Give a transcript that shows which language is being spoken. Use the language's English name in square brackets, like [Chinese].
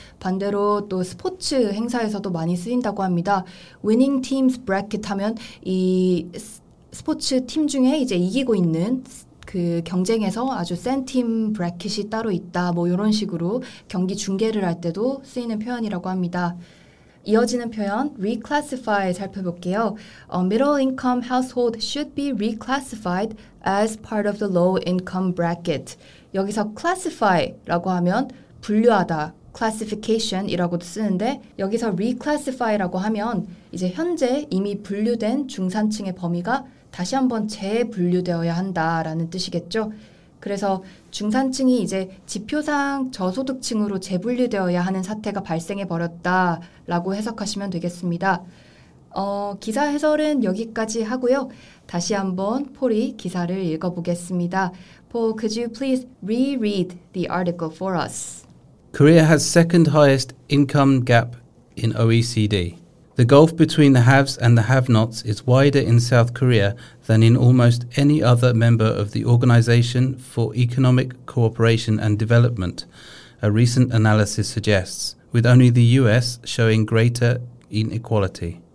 [Korean] 반대로 또 스포츠 행사에서도 많이 쓰인다고 합니다. [English] Winning teams bracket [Korean] 하면 이 스포츠 팀 중에 이제 이기고 있는 그 경쟁에서 아주 센 팀 브래킷이 따로 있다. 뭐 이런 식으로 경기 중계를 할 때도 쓰이는 표현이라고 합니다. 이어지는 표현, reclassify 살펴볼게요. [English] A middle income household should be reclassified as part of the low income bracket. [Korean] 여기서 classify라고 하면 분류하다, classification이라고도 쓰는데 여기서 reclassify라고 하면 이제 현재 이미 분류된 중산층의 범위가 다시 한번 재분류되어야 한다라는 뜻이겠죠. 그래서 중산층이 이제 지표상 저소득층으로 재분류되어야 하는 사태가 발생해버렸다라고 해석하시면 되겠습니다. 기사 해설은 여기까지 하고요. 다시 한번 폴이 기사를 읽어보겠습니다. [English] Paul, could you please reread the article for us? Korea has second highest income gap in OECD. The gulf between the haves and the have-nots is wider in South Korea than in almost any other member of the Organization for Economic Cooperation and Development, a recent analysis suggests, with only the US showing greater inequality.